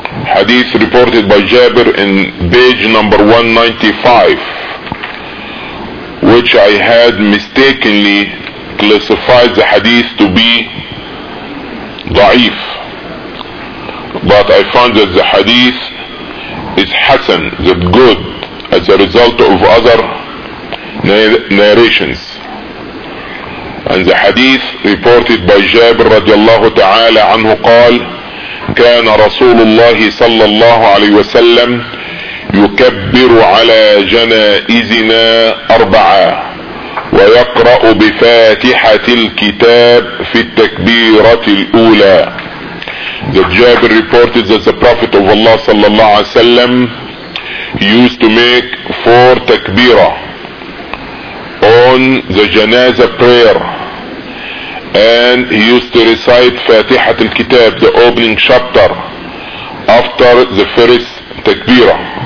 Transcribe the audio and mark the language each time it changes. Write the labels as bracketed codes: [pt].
[en] Hadith reported by Jabir in page number 195, which I had mistakenly classified the hadith to be da'if, but I found that the hadith is hasan, that good, as a result of other narrations. And the hadith reported by Jabir [ar] radiallahu ta'ala anhu qal, كان رسول الله صلى الله عليه وسلم يكبر على جنائزنا أربعة، ويقرأ بفاتحة الكتاب في التكبيرة الأولى. [en] The Jabir reported that the Prophet of Allah sallallahu alaihi wasallam used to make four takbira on the janazah prayer, and he used to recite Fatihat al-Kitab, the opening chapter, after the first takbira.